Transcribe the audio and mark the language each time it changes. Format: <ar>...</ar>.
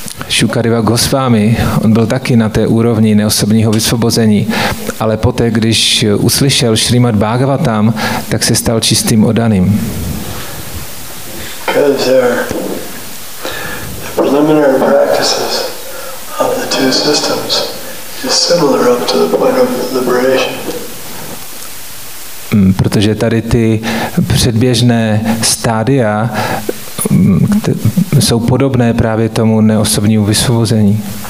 <cs>Shukadeva Gosvami, on byl taky na té úrovni neosobního vysvobození, ale poté, když uslyšel Srimad Bhagavatam, tak se stal čistým oddaným.</cs> <en>The preliminary practices of the two systems is similar up to the point of liberation.</en> <cs>Protože tady ty předběžné stádia jsou podobné právě tomu neosobnímu vysvobození.</cs>